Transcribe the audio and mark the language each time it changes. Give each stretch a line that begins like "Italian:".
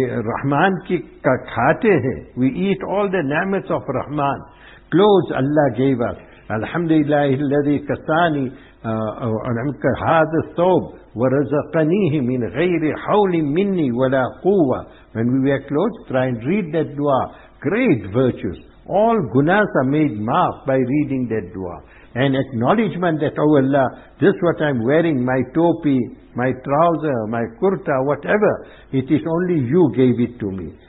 Urdu: Rahman ki ka khate hai.
English: We eat all the ni'mat of Rahman. Clothes Allah gave us. Alhamdulillah,
Arabic: alladhi kasani. هذا الثوب ورزقنيه من غير حول مني ولا قوة.
English: When we wear clothes, try and read that dua. Great virtues. All gunas are made maaf by reading that dua. And acknowledgement that, oh Allah, this what I'm wearing, my topi, my trouser, my kurta, whatever, it is only you gave it to me.